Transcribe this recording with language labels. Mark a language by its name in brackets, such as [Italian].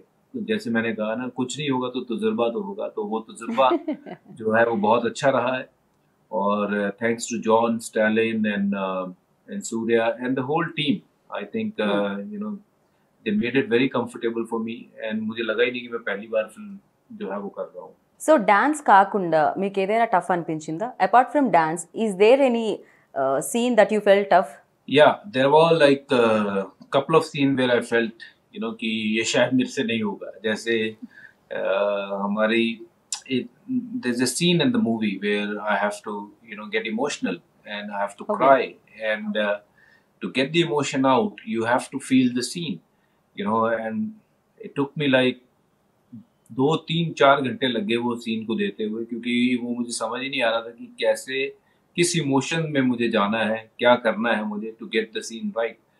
[Hindi] तो जैसे मैंने कहा ना, कुछ नहीं होगा तो तजुर्बा तो होगा, तो वो तजुर्बा जो है वो बहुत अच्छा रहा है। [English] और thanks to John, Stalin and and Surya and the whole team, I think you know they made it very comfortable for me, and [Hindi] मुझे लगा ही नहीं कि मैं पहली बार फिल्म जो है वो कर रहा हूँ। [Telugu] సో డాన్స్ కాకుండా మీకు ఏదైనా టఫ్ అనిపించిందా? [English] Apart from dance is there any scene that you fell tough? Yeah there were like couple of scene where I felt you know [Hindi] कि ये शायद मेरे से नहीं होगा। जैसे हमारी [English] there a scene in the movie where I have to you know get emotional and I have to okay cry, and to get the emotion out you have to feel the scene you know, and it took me like [Hindi] 2 3 4 घंटे लगे वो scene को देते हुए, क्योंकि वो मुझे समझ ही नहीं आ रहा था कि कैसे किस इमोशन में मुझे जाना है, क्या करना है मुझे [English] To get the scene right.